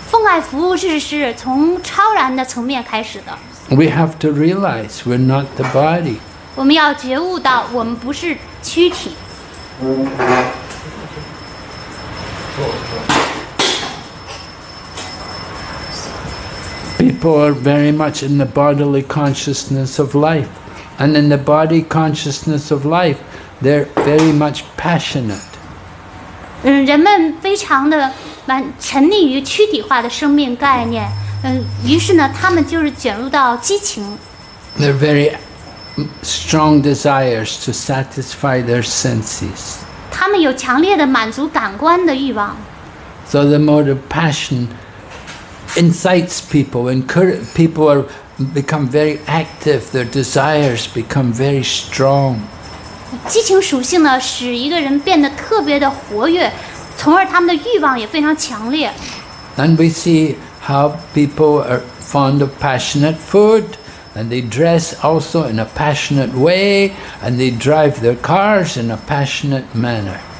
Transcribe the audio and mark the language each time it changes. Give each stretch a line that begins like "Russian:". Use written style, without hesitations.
Chinese: 奉爱服务是从超然的层面开始的。
English: We have to realize we're not the body.
Chinese: 我们要觉悟到我们不是躯体。
English: People are very much in the bodily consciousness of life. And in the body consciousness of life, they're very much passionate.
Chinese: 人们非常的沉溺于躯体化的生命概念。于是呢，他们就是卷入到激情。
English: They're very strong desires to satisfy their senses.
Chinese: 他们有强烈的满足感官的欲望。
English: So the mode of passion incites people, and people are become very active. Their desires become very strong.
Chinese: 激情属性呢，使一个人变得特别的活跃，从而他们的欲望也非常强烈。
English: And we see how people are fond of passionate food, and they dress also in a passionate way, and they drive their cars in a passionate manner.